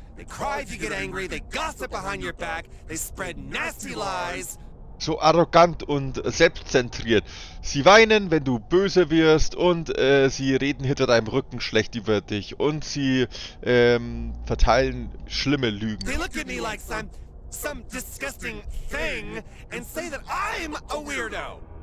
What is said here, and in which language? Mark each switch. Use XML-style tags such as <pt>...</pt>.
<en>They cry if you get angry, they gossip behind your back, they spread nasty lies.</en> <de>So arrogant und selbstzentriert. Sie weinen, wenn du böse wirst, und sie reden hinter deinem Rücken schlecht über dich, und sie verteilen schlimme Lügen.</de> <en>They look at me like some disgusting thing and say that I'm a weirdo.</en>